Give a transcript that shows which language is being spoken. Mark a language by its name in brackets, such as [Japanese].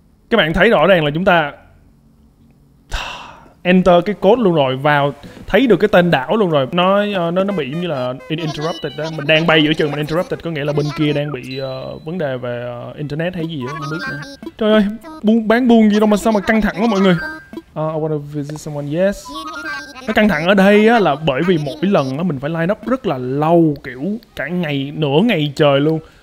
[Vietnamese] Các bạn thấy rõ ràng là chúng ta enter cái code luôn rồi, vào thấy được cái tên đảo luôn rồi. Nó bị giống như là interrupted đó. Mình đang bay giữa chừng, mình interrupted có nghĩa là bên kia đang bị vấn đề về internet hay gì đó, không biết nữa. Trời ơi, bán buôn gì đâu mà sao mà căng thẳng quá mọi người. [English] I wanna visit someone, yes. [Vietnamese] Nó căng thẳng ở đây á là bởi vì mỗi lần á mình phải line up rất là lâu, kiểu cả ngày, nửa ngày trời luôn.